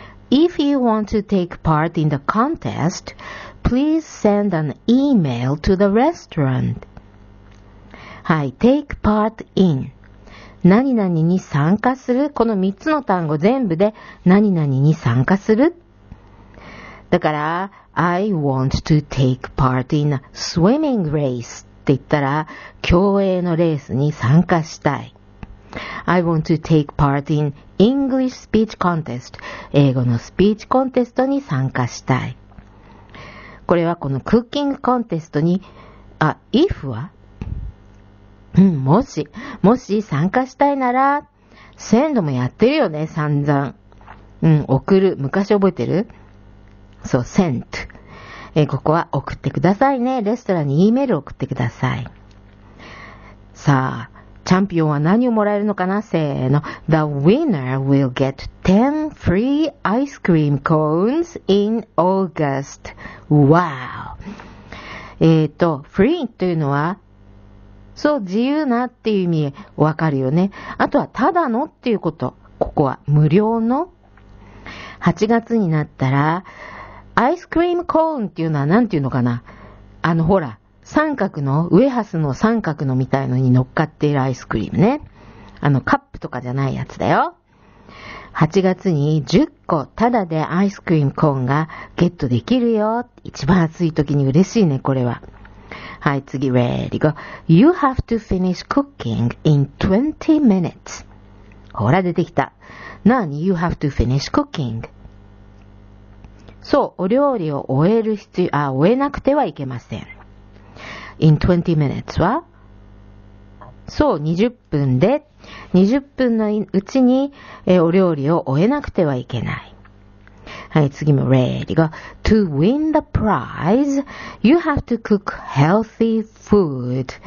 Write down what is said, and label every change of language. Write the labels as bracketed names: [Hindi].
[English] If you want to take part in the contest, please send an email to the restaurant. [Japanese] はい、take part in。何々に参加する、この3つの単語全部で何々に参加する。だから、 [English] I want to take part in a swimming race. [Japanese] って言ったら、競泳のレースに参加したい。 [English] I want to take part in English speech contest. [Japanese] 英語のスピーチコンテストに参加したい。これはこのクッキングコンテストに、あ、if は? うん、もし、もし参加したいなら、send もやってるよね、散々。うん、送る。昔覚えてる?そう、sent。ここは送ってくださいね。レストランに E メール送ってください。さあ、チャンピオンは何をもらえるのかな? せーの。 [English] The winner will get 10 free ice cream cones in August. Wow! [Japanese] free というのは、そう、自由なっていう意味わかるよね。あとは、ただのっていうこと。ここは、無料の。 8月になったら、アイスクリームコーンっていうのは何ていうのかな? あのほら、三角の、ウエハスの三角のみたいのに乗っかっているアイスクリームね。あのカップとかじゃないやつだよ。8月に10個タダでアイスクリームコーンがゲットできるよ。一番暑い時に嬉しいね、これは。はい、次、 [English] ready go. You have to finish cooking in 20 minutes. [Japanese] ほら、出てきた。 [English] 何 ?You have to finish cooking. [Japanese] そう、お料理を終える必要、あ、終えなくてはいけません。 [English] in 20 minutes は? [Japanese] そう、20分で、20分のうちに、お料理を終えなくてはいけない。はい、次も、 [English] ready go. To win the prize, you have to cook healthy food.